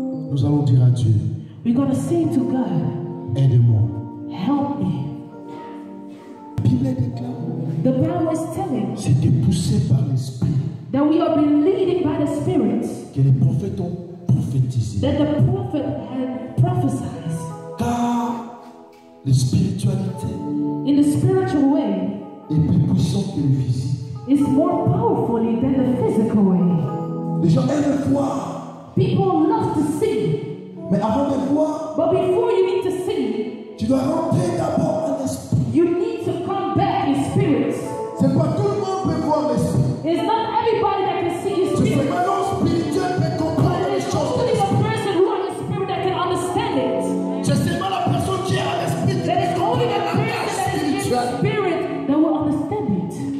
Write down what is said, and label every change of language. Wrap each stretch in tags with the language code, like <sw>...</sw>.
<fr>Nous allons dire à Dieu.</fr> <en>We're going to say to God.</en> <fr>Aide-moi.</fr> <en>Help me.</en> <fr>Bible</fr> <en>the Bible is telling.</en> <fr>C'était poussé par l'esprit.</fr> <en>That we are being led by the Spirit.</en> <fr>Que les prophètes ont prophétisé.</fr> <en>That the prophet had prophesied.</en> <fr>Car la spiritualité.</fr> <en>In the spiritual way.</en> <fr>Est plus puissante que le physique.</fr> <en>Is more powerful than the physical way.</en> <fr>Les gens aiment voir.</fr> <en>People love to see.</en> <fr>Mais avant de voir.</fr> <en>But before you need to see.</en> <fr>Tu dois rentrer d'abord en esprit.</fr> <en>You need to come back in spirit.</en> <fr>C'est pas tout le monde peut voir l'esprit.</fr> <en>It's not everybody that can see his spirit.</en> <fr>Tu fais maintenant spirituel peut comprendre les choses.</fr> <en>Only the person who has the spirit that can understand it.</en> <fr>C'est seulement la personne qui a l'esprit.</fr> <en>That is only the person that is spirit that will understand it.</en>